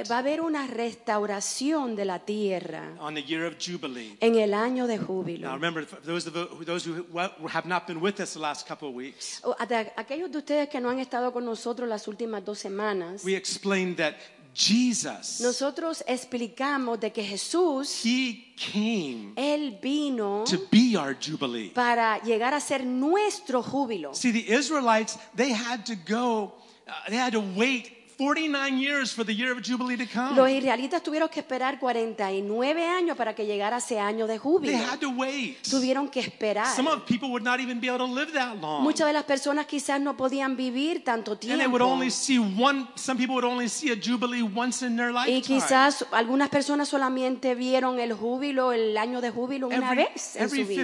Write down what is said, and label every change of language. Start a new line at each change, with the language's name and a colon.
Spanish: Va a haber una restauración de la tierra.
English: On the year of jubilee.
Spanish: En el año de júbilo.
English: Now remember, those who have not been with us the last couple of weeks.
Spanish: Aquellos de ustedes que no han estado con nosotros las últimas 2 semanas.
English: We explained that Jesus,
Spanish: nosotros explicamos de que Jesús,
English: he came,
Spanish: él vino,
English: to be our jubilee,
Spanish: para llegar a ser nuestro júbilo.
English: See, the Israelites, they had to go, they had to wait 49 years for the year of jubilee to come.
Spanish: Los israelitas tuvieron que esperar 49 años para que llegara ese año de júbilo.
English: They had to wait.
Spanish: Tuvieron que esperar.
English: Some of the people would not even be able to live that long.
Spanish: Muchas de las personas quizás no podían vivir tanto tiempo.
English: And they would only see one. Some people would only see a jubilee once in their lifetime.
Spanish: Y quizás algunas personas solamente vieron el júbilo, el año de júbilo una vez en su vida.